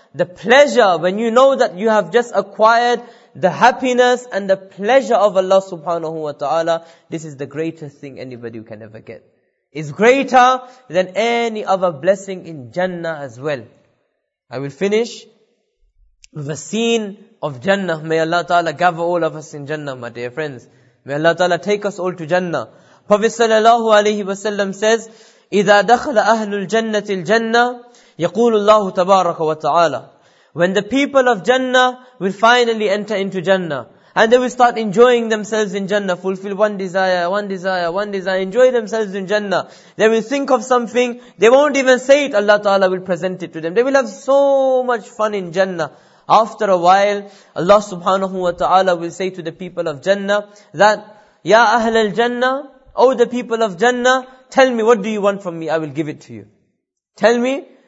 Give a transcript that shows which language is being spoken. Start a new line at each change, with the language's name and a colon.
English: The pleasure, when you know that you have just acquired the happiness and the pleasure of Allah subhanahu wa ta'ala, this is the greatest thing anybody can ever get. It's greater than any other blessing in Jannah as well. I will finish with a scene of Jannah. May Allah ta'ala gather all of us in Jannah, my dear friends. May Allah ta'ala take us all to Jannah. Prophet sallallahu alayhi wa sallam says,
Arabic: إِذَا دَخْلَ أَهْلُ الْجَنَّةِ الْجَنَّةِ يَقُولُ اللَّهُ تَبَارَكَ وَتَعَالَى.
English: When the people of Jannah will finally enter into Jannah, and they will start enjoying themselves in Jannah, fulfill one desire, enjoy themselves in Jannah. They will think of something, they won't even say it, Allah Ta'ala will present it to them. They will have so much fun in Jannah. After a while, Allah Subhanahu wa Ta'ala will say to the people of Jannah that,
Arabic: Ya Ahl al-Jannah,
English: O the people of Jannah, tell me, what do you want from me? I will give it to you. Tell me.